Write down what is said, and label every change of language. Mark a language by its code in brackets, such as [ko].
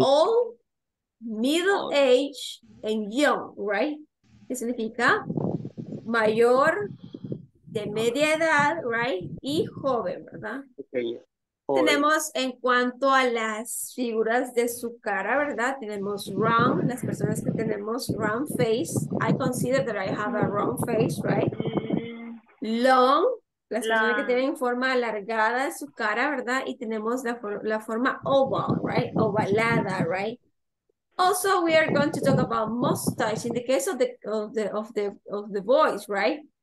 [en] Old, middle old. Age, and young, right? [es] ¿Qué significa? Mayor, de media edad, right? Y joven, ¿verdad? Okay. Tenemos en cuanto a las figuras de su cara, ¿verdad? Tenemos round, las personas que tenemos round face. [en] I consider that I have a round face, right? Long, las long. [es] Personas que tienen forma alargada de su cara, ¿verdad? Y tenemos la forma oval, right? Ovalada, right? [en] Also, we are going to talk about mustache in the case of the voice, right?